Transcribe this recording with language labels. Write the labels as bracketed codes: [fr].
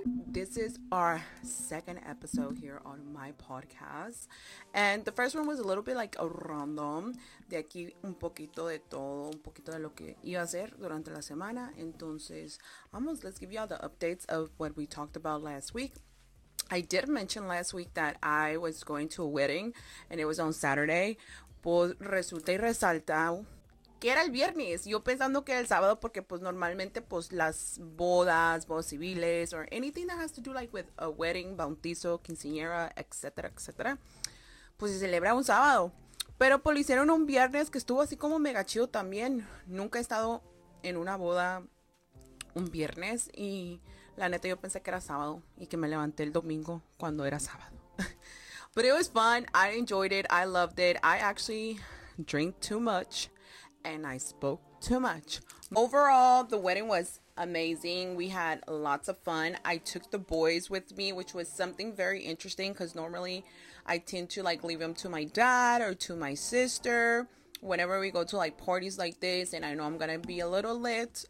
[en] This is our second episode here on my podcast, and the first one was a little bit like a random. [es] De aquí un poquito de todo, un poquito de lo que iba a hacer durante la semana. Entonces, vamos, [en] let's give you all the updates of what we talked about last week. I did mention last week that I was going to a wedding, and it was on Saturday. [es] Pues resulta y resalta que era el viernes, yo pensando que era el sábado, porque pues normalmente pues las bodas civiles [en] or anything that has to do like with a wedding, [es] bautizo, quinceañera, etcétera, etcétera, pues se celebra un sábado, pero pues lo hicieron un viernes, que estuvo así como mega chido también. Nunca he estado en una boda un viernes, y la neta yo pensé que era sábado y que me levanté el domingo cuando era sábado. [en] But it was fun, I enjoyed it, I loved it. I actually drank too much and I spoke too much. Overall, the wedding was amazing. We had lots of fun. I took the boys with me, which was something very interesting, because normally I tend to like leave them to my dad or to my sister whenever we go to like parties like this, and I know I'm gonna be a little lit.